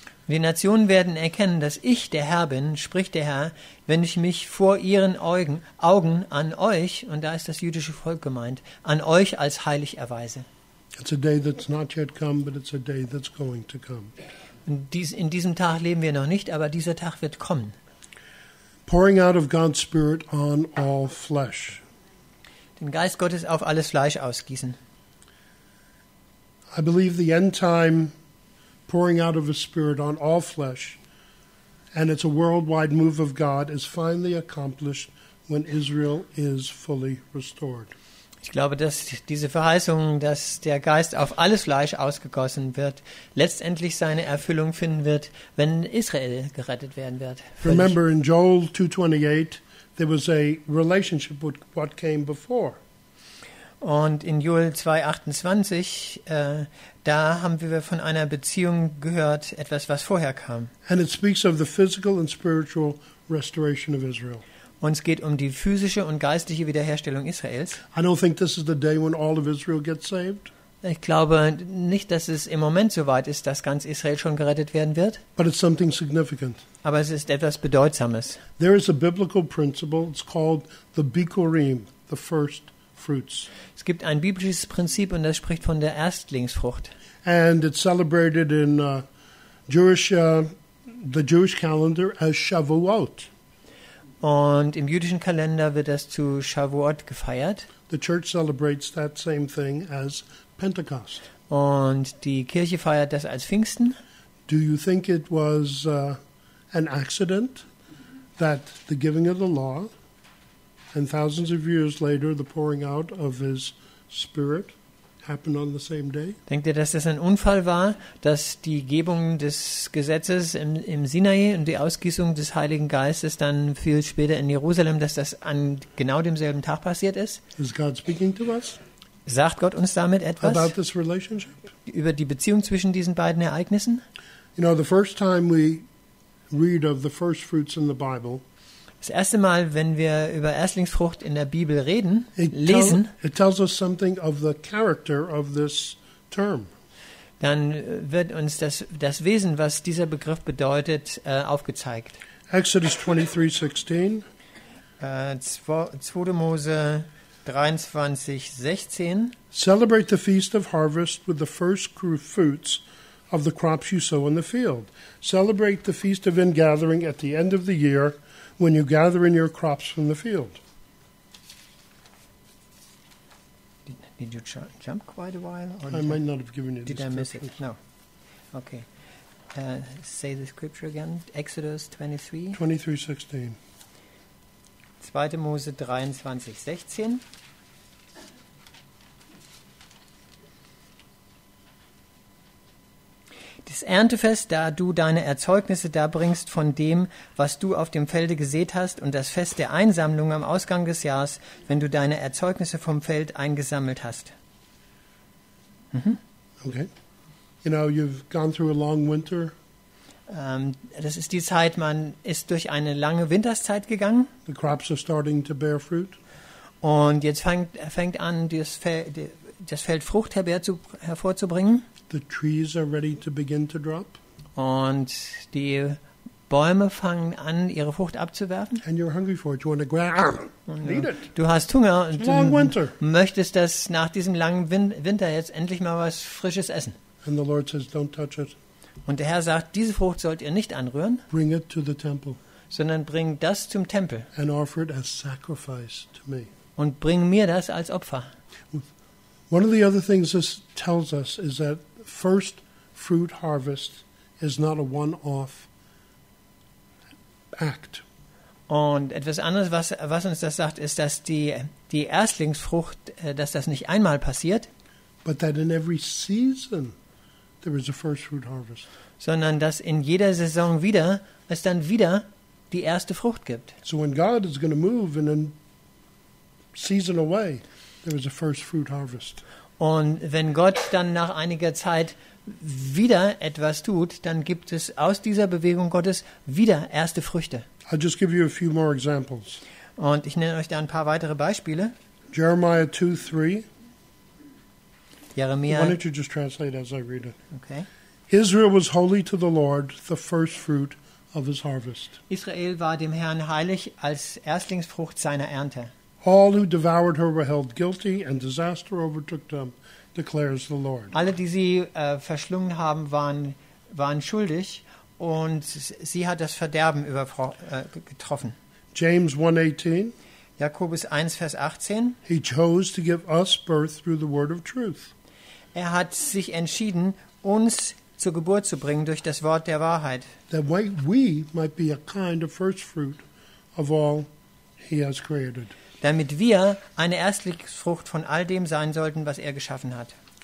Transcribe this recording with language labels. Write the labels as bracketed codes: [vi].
[de] Die Nationen werden erkennen, dass ich der Herr bin, spricht der Herr, wenn ich mich vor ihren Augen an euch, und da ist das jüdische Volk gemeint, an euch als heilig erweise. [en] It's a day that's not yet come, but it's a day that's going to come. [de] In diesem Tag leben wir noch nicht, aber dieser Tag wird kommen. [en] Pouring out of God's Spirit on all flesh. [de] Den Geist Gottes auf alles Fleisch ausgießen. [en] I believe the end time pouring out of His Spirit on all flesh, and it's a worldwide move of God, is finally accomplished when Israel is fully restored. [de] Ich glaube, dass diese Verheißung, dass der Geist auf alles Fleisch ausgegossen wird, letztendlich seine Erfüllung finden wird, wenn Israel gerettet werden wird. Völlig. [en] Remember in Joel 2:28, there was a relationship with what came before. [de] Und in Joel 2:28, da haben wir von einer Beziehung gehört, etwas, was vorher kam. [en] And it speaks of the physical and spiritual restoration of Israel. [de] Uns geht um die physische und geistliche Wiederherstellung Israels. [en] I don't think this is the day when all of Israel gets saved. [de] Ich glaube nicht, dass es im Moment so weit ist, dass ganz Israel schon gerettet werden wird. [en] But it's something significant. [de] Aber es ist etwas Bedeutsames. [en] There is a biblical principle. It's called the Bikurim, the first fruits. [de] Es gibt ein biblisches Prinzip und das spricht von der Erstlingsfrucht. [en] And it's celebrated in the Jewish calendar as Shavuot. [de] Und im jüdischen Kalender wird das zu Shavuot gefeiert. [en] The church celebrates that same thing as Pentecost. [de] Und die Kirche feiert das als Pfingsten. [en] Do you think it was an accident that the giving of the law and thousands of years later the pouring out of his spirit happened on the same day? [de] Denkt ihr, dass das ein Unfall war, dass die Gebung des Gesetzes im Sinai und die Ausgießung des Heiligen Geistes dann viel später in Jerusalem, dass das an genau demselben Tag passiert ist? [en] Is God speaking to us? [de] Sagt Gott uns damit etwas? [en] About this relationship? [de] Über die Beziehung zwischen diesen beiden Ereignissen? [en] You know, the first time we read of the first fruits in the Bible. [de] Das erste Mal, wenn wir über Erstlingsfrucht in der Bibel reden, lesen, [en] it tells us something of the character of this term. [de] Dann wird uns das Wesen, was dieser Begriff bedeutet, aufgezeigt. [en] Exodus 23:16. [de] 2. Mose 23, 16. [en] Celebrate the feast of harvest with the first fruits of the crops you sow in the field. Celebrate the feast of ingathering at the end of the year when you gather in your crops from the field. Did you jump quite a while? Or I might not have given you this. Did I miss it? No. Okay. Say the scripture again. Exodus 23:16. [de] 2. Mose 23:16. Das Erntefest, da du deine Erzeugnisse darbringst von dem, was du auf dem Felde gesät hast, und das Fest der Einsammlung am Ausgang des Jahres, wenn du deine Erzeugnisse vom Feld eingesammelt hast. Mhm. Okay. [en] You know, you've gone through a long winter. [de] Das ist die Zeit, man ist durch eine lange Winterszeit gegangen. [en] The crops are starting to bear fruit. [de] Und jetzt fängt an, das Feld Frucht hervorzubringen. [en] The trees are ready to begin to drop. [de] Und die Bäume fangen an, ihre Frucht abzuwerfen. [en] And you're hungry for it. You want to grab it. [de] Du hast Hunger und [en] long winter. [de] Möchtest, dass nach diesem langen Winter jetzt endlich mal was Frisches essen. [en] And the Lord says, don't touch it. [de] Und der Herr sagt, diese Frucht sollt ihr nicht anrühren, [en] bring it to the temple, [de] sondern bring das zum Tempel [en] and offer it as sacrifice to me. [de] Und bring mir das als Opfer. [en] One of the other things this tells us is that first fruit harvest is not a one-off act. [de] Und etwas anderes, was uns das sagt, ist, dass die Erstlingsfrucht, dass das nicht einmal passiert, [en] but that in every season there is a first fruit harvest. [de] Sondern dass in jeder Saison wieder es dann wieder die erste Frucht gibt. [en] So when God is going to move in a season away, there is a first fruit harvest. [de] Und wenn Gott dann nach einiger Zeit wieder etwas tut, dann gibt es aus dieser Bewegung Gottes wieder erste Früchte. [en] I'll just give you a few more examples. [de] Und ich nenne euch da ein paar weitere Beispiele. [en] Jeremiah 2:3. Jeremiah. Why don't you just translate as I read it? Okay. Israel was holy to the Lord, the first fruit of his harvest. [de] Israel war dem Herrn heilig als Erstlingsfrucht seiner Ernte. [en] All who devoured her were held guilty, and disaster overtook them, declares the Lord. [de] Alle, die sie verschlungen haben, waren schuldig, und sie hat das Verderben getroffen. [en] James 1:18. [de] Jakobus 1, Vers 18. [en] He chose to give us birth through the word of truth. [de] Er hat sich entschieden, uns zur Geburt zu bringen durch das Wort der Wahrheit. [en] That we might be a kind of first fruit of all he has created. [de] Damit wir eine Erstlingsfrucht von all dem sein sollten, was er geschaffen hat.